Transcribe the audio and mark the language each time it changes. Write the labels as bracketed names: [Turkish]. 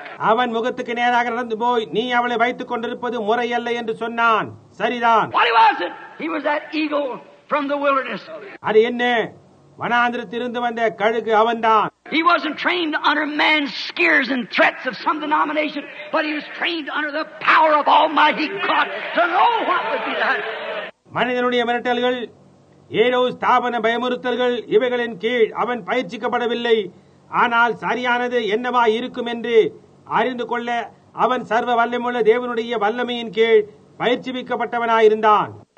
[Tamil] அவன் முகத்துக்கு நேராக நடந்து போய், நீ அவளை வைத்துக் கொண்டிருப்பது முறையல்ல என்று சொன்னான். சரிதான். [English] What was it? He was that eagle from the wilderness. [Tamil] அது என்ன? வனாந்திரத்திலிருந்து வந்த கழுகு அவன்தான். [English] He wasn't trained under man's scares and threats of some denomination, but he was trained under the power of Almighty God to know what would be done. [Tamil] மனிதனுடைய மிரட்டல்கள், aero ஸ்தாபன பயமுறுத்தல்கள் இவைகளின் கீழ் அவன் பயிற்சிக்கப்படவில்லை, ஆனால் சரியானது என்னவா இருக்கும் என்று அறிந்து கொள்ள அவன் சர்வ வல்லமுள்ள தேவனுடைய வல்லமையின் கீழ் பயிற்சிவிக்கப்பட்டவனாயிருந்தான்.